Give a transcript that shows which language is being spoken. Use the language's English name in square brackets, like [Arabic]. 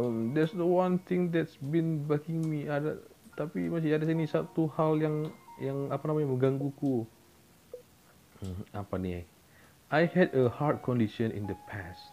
[English] There's the one thing that's been bugging me. [Indonesian] Ada, tapi masih ada sini satu hal yang apa namanya menggangguku. Apa nih? [English] I had a heart condition in the past.